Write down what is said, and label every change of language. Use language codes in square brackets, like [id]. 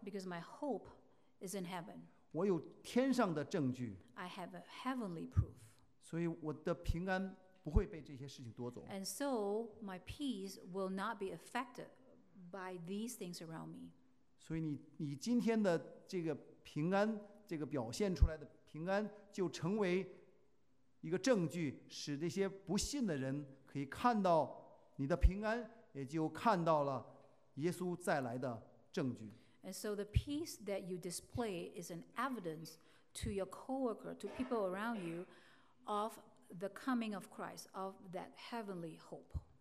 [en] Because my hope is in heaven. [zh] 我有天上的证据。 [en] I have a heavenly proof. [zh] 所以我的平安不会被这些事情夺走。 [en] And so my peace will not be affected by these things around me. [zh] 所以你今天的这个平安，这个表现出来的平安，就成为一个证据，使这些不信的人可以看到你的平安，也就看到了耶稣再来的证据。 [en] And so the peace that you display is an evidence to your coworker, to people around you, of the coming of Christ, of that heavenly hope.